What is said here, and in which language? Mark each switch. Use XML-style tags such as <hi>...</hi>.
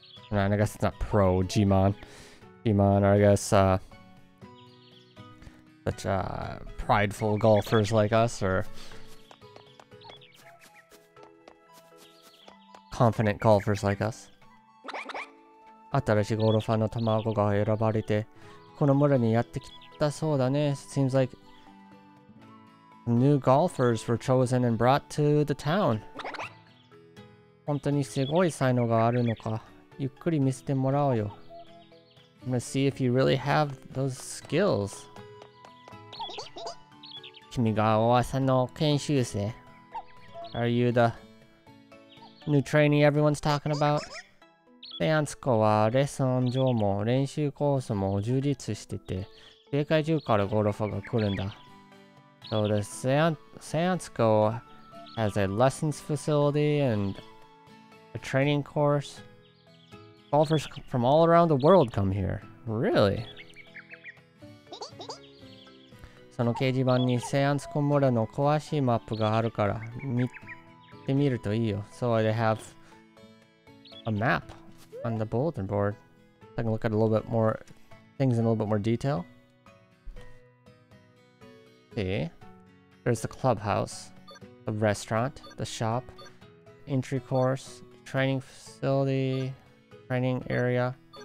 <en>Nah, I guess it's not pro 自慢.自慢, I guess, such prideful golfers like us, or... Confident golfers like us.</en> <ja>新しいゴルファーの卵が選ばれてこの村にやってきたそうだね。</ja> <en>Seems like new golfers were chosen and brought to the town.</en> <ja>本当にすごい才能があるのか。ゆっくり見せてもらおうよ。</ja> <en>I'm gonna see if you really have those skills.</en> <ja>君が噂の研修生。</ja> <en>Are you the... New trainee everyone's talking about.</en> <ja>セアンスコはレッスン場も練習コースも充実してて、世界中からゴルファーが来るんだ。</ja> <en>So the Seansco has a lessons facility and a training course. Golfers from all around the world come here. Really?</en> <ja>その掲示板にセアンスコ村の詳しいマップがあるから見て。てみるといいよ。</ja> <en>So they have a map on the bulletin board. I can look at a little bit more things in a little bit more detail. See, there's the clubhouse, the restaurant, the shop, entry course, training facility, training area.</en>